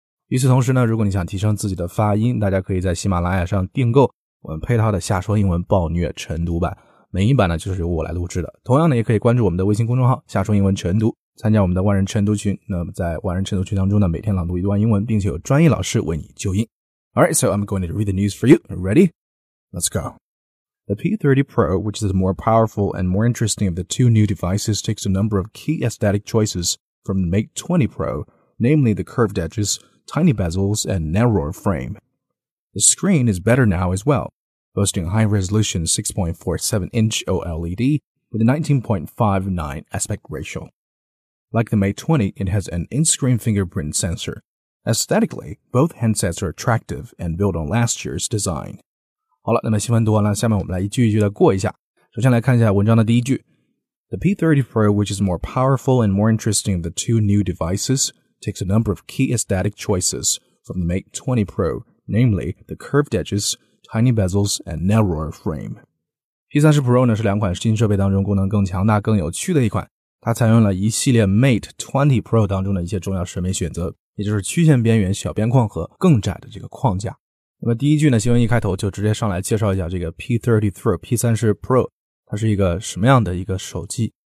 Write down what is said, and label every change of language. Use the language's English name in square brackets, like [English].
[Chinese] 与此同时呢，如果你想提升自己的发音，大家可以在喜马拉雅上订购我们配套的夏说英文暴虐晨读版，每一版呢就是由我来录制的。同样呢，也可以关注我们的微信公众号夏说英文晨读，参加我们的万人晨读群。那么在万人晨读群当中呢，每天朗读一段英文，并且有专业老师为你纠音。 [English] Alright, so I'm going to read the news for you. Ready? Let's go. The P30 Pro, which is more powerful and more interesting of the two new devices, takes a number of key aesthetic choices from the Mate 20 Pro, namely the curved edgestiny bezels, and narrower frame. The screen is better now as well, boasting a high-resolution 6.47-inch OLED with a 19.59 aspect ratio. Like the Mate 20, it has an in-screen fingerprint sensor. Aesthetically, both handsets are attractive and build on last year's design. [Chinese] 好了，那么新闻读完了，下面我们来一句一句的过一下。首先来看一下文章的第一句。 [English] The P30 Pro, which is more powerful and more interesting of the two new devices,takes a number of key aesthetic choices from the Mate 20 Pro, namely the curved edges, tiny bezels, and narrower frame. [Chinese] P30 Pro 呢是两款新设备当中功能更强大、更有趣的一款。它采用了一系列 Mate 20 Pro 当中的一些重要审美选择，也就是曲线边缘、小边框和更窄的这个框架。那么第一句呢，新闻一开头就直接上来介绍一下这个 P30 Pro， 它是一个什么样的一个手机。